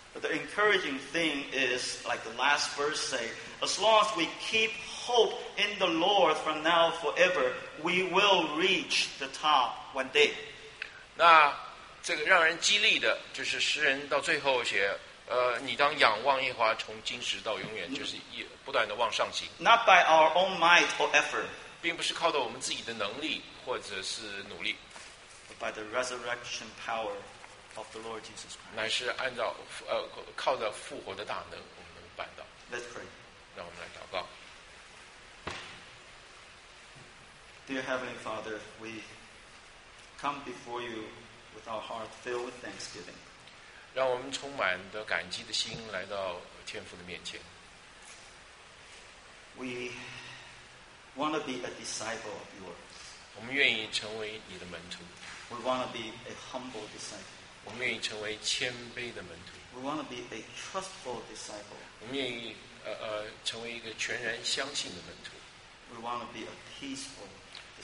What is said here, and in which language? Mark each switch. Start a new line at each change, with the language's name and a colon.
English: ？But the encouraging thing is, like the last verse say, as long as we keep hope in the Lord from now forever, we will reach the top one day.
Chinese: 那这个让人激励的，就是诗人到最后写，你当仰望耶和华，从今时到永远，就是不断的往上行。
English: Not by our own might or effort.
Chinese: 并不是靠着我们自己的能力。或者是努力
English: by the resurrection power of the Lord Jesus Christ.
Chinese: 乃是按照靠着复活的大能，我们能办到。
English: Let's pray.
Chinese: 让我们来祷告。
English: Dear Heavenly Father, we come before you with our heart filled with thanksgiving.
Chinese: 让我们充满的感激的心来到天父的面前。
English: We want to be a disciple of yours.
Chinese: 我们愿意成为你的门徒。
English: We want to be a humble disciple.
Chinese: 我们愿意成为谦卑的门徒。
English: We want to be a trustful disciple.
Chinese: 我们愿意成为一个全然相信的门徒。
English: We want to be a peaceful disciple.